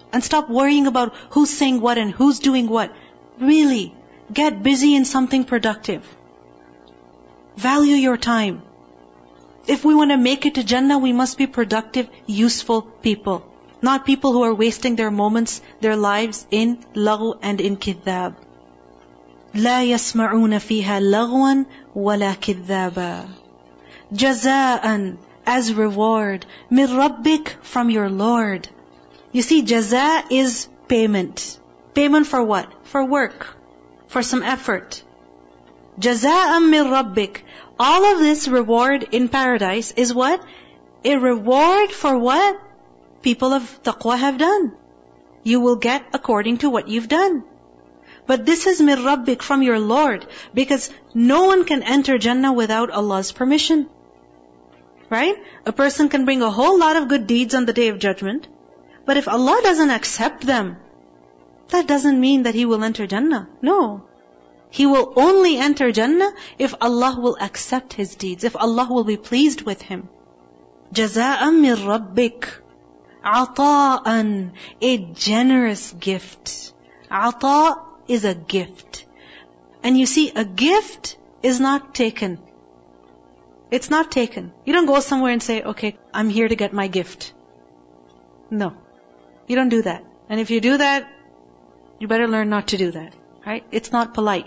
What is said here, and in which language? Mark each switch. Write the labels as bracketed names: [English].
[English] And stop worrying about who's saying what and who's doing what. Really. Get busy in something productive. Value your time. If we want to make it to Jannah, we must be productive, useful people. Not people who are wasting their moments, their lives in lagh and in kithab. [Arabic] لا يسمعون فيها لغوان ولا كذابا. [English] جزاء as reward. [Arabic] من ربك [English] from your Lord. You see, جزاء is payment. Payment for what? For work. For some effort. [Arabic] جزاء من ربك. [English] All of this reward in paradise is what? A reward for what people of taqwa have done. You will get according to what you've done. But this is [Arabic] min rabbik, [English] from your Lord, because no one can enter Jannah without Allah's permission. Right? A person can bring a whole lot of good deeds on the Day of Judgment, but if Allah doesn't accept them, that doesn't mean that he will enter Jannah. No. He will only enter Jannah if Allah will accept his deeds, if Allah will be pleased with him. [Arabic] جَزَاءً مِنْ رَبِّكَ عَطَاءً, [English] a generous gift. عَطَاء is a gift. And you see, a gift is not taken. It's not taken. You don't go somewhere and say, okay, I'm here to get my gift. No. You don't do that. And if you do that, you better learn not to do that. Right? It's not polite.